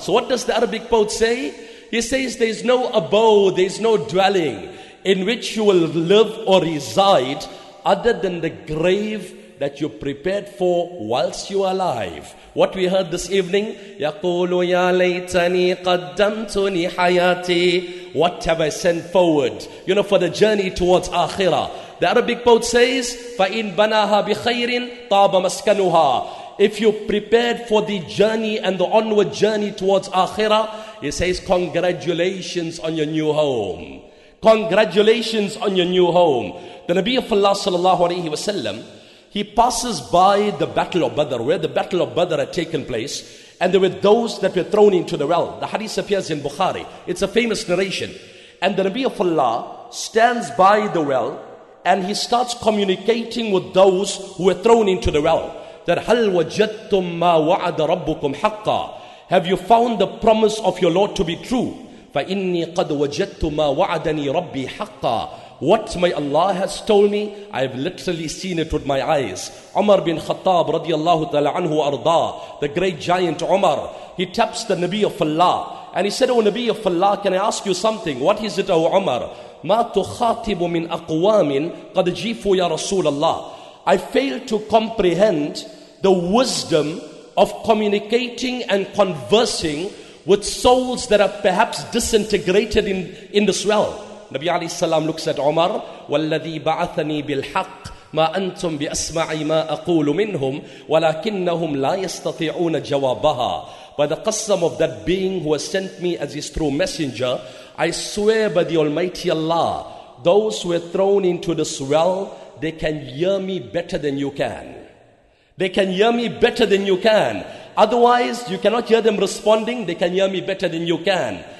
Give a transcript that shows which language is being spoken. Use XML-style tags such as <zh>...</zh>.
<en>So what does the Arabic poet say? He says, there is no abode, there is no dwelling in which you will live or reside other than the grave that you prepared for whilst you are alive. What we heard this evening,</en> <ar>يَقُولُ يَا لَيْتَنِي قَدَّمْتُنِي حَيَاتِي.</ar> <en>What have I sent forward? You know, for the journey towards Akhirah. The Arabic poet says,</en> <ar>فَإِنْ بَنَاهَا بِخَيْرٍ طَابَ مَسْكَنُهَا.</ar> <en>If you prepared for the journey and the onward journey towards Akhirah, he says, congratulations on your new home. Congratulations on your new home. The Nabi of Allah sallallahu alayhi wa sallam, he passes by the Battle of Badr, where the Battle of Badr had taken place, and there were those that were thrown into the well. The hadith appears in Bukhari. It's a famous narration. And the Nabi of Allah stands by the well, and he starts communicating with those who were thrown into the well. That,</en> <ar>هَلْ وَجَدْتُمْ مَا وَعَدَ رَبُّكُمْ حَقَّا.</ar> <en>Have you found the promise of your Lord to be true?</en> <ar>فَإِنِّي قَدْ وَجَدْتُ مَا وَعَدَنِي رَبِّي حَقَّا.</ar> <en>What my Allah has told me, I have literally seen it with my eyes. Umar bin Khattab radiallahu ta'ala anhu arda, the great giant Umar, he taps the Nabi of Allah And he said, O Nabi of Allah, can I ask you something? What is it, O Umar?</en> <ar>مَا تُخَاطِبُ مِنْ أَقْوَامٍ قَدْ جِيفُوا يَا رَسُولَ اللَّهِ.</ar> <en>I fail to comprehend the wisdom of communicating and conversing with souls that are perhaps disintegrated in this realm. Nabi alayhi salam looks at Umar,</en> <ar>وَالَّذِي بَعَثَنِي بِالْحَقِّ مَا أَنْتُمْ بِأَسْمَعِ مَا أَقُولُ مِنْهُمْ وَلَكِنَّهُمْ لَا يَسْتَطِعُونَ جَوَابَهَا.</ar> <en>By the qasam of that being who has sent me as his true messenger, I swear by the Almighty Allah, those who are thrown into this well, they can hear me better than you can. They can hear me better than you can. Otherwise, you cannot hear them responding, they can hear me better than you can.</en>